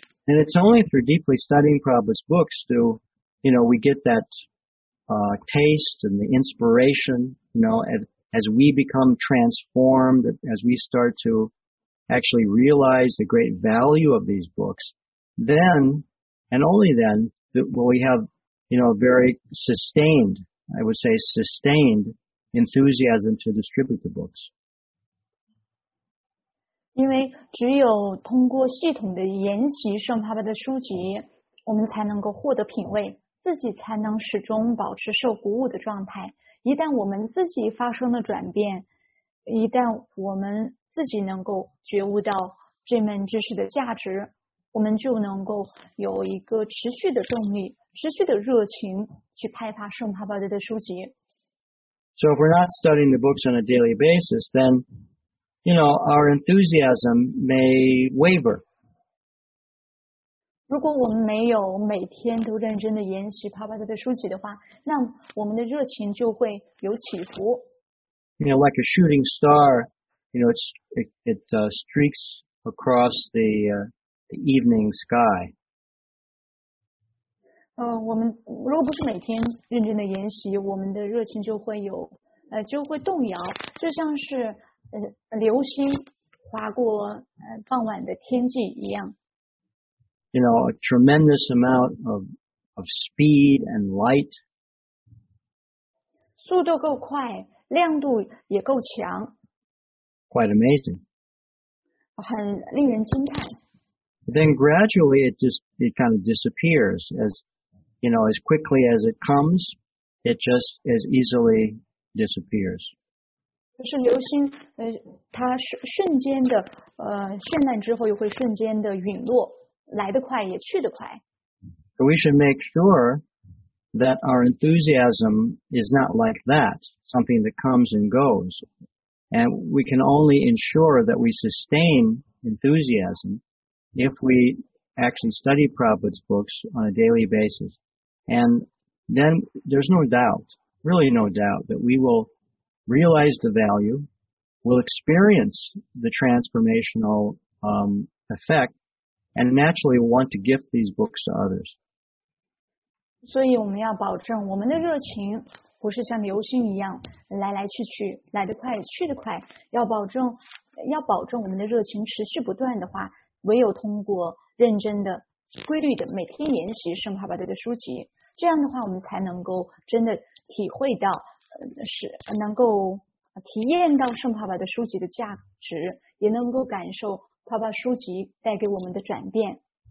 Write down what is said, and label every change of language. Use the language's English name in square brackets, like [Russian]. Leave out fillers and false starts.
[English] And it's only through deeply studying Prabhupada's books do, you know, we get that, taste and the inspiration, you know, as we become transformed, as we start to actually realize the great value of these books, then, and only then, will we have, you know, very sustained, I would say sustained enthusiasm to distribute the books. [Chinese] 因为只有通过系统的研习圣帕巴的书籍，我们才能够获得品味，自己才能始终保持受鼓舞的状态。一旦我们自己发生了转变，一旦我们自己能够觉悟到这门知识的价值，我们就能够有一个持续的动力，持续的热情去派发圣帕巴的书籍。 [English] So if we're not studying the books on a daily basis, thenYou know, our enthusiasm may waver. [Chinese] 如果我们没有每天都认真地研习帕巴德的书籍的话，那我们的热情就会有起伏。 [English] You know, like a shooting star, you know, it streaks across the evening sky. [Chinese] 我们如果不是每天认真地研习，我们的热情就会有就会动摇，就像是流星划过傍晚的天际一样。 [English] You know, a tremendous amount of speed and light. [Chinese] 速度够快，亮度也够强。 [English] Quite amazing. [Chinese] 很令人惊叹。 [English] Then gradually it kind of disappears as, you know, as quickly as it comes, it just as easily disappears. [Chinese] 就是流星它瞬间的绚烂之后又会瞬间的陨落，来得快也去得快。 [English] So we should make sure that our enthusiasm is not like that, something that comes and goes. And we can only ensure that we sustain enthusiasm if we actually study Prabhupada's books on a daily basis. And then there's no doubt, really no doubt, that we will... realize the value, will experience the transformational effect, and naturally want to gift these books to others. [Chinese] 所以我们要保证我们的热情不是像流星一样来来去去，来得快去得快，要保证我们的热情持续不断的话，唯有通过认真的、规律的每天研习圣帕巴德的书籍，这样的话我们才能够真的体会到是能够体验到圣帕巴的书籍的价值，也能够感受帕巴书籍带给我们的转变。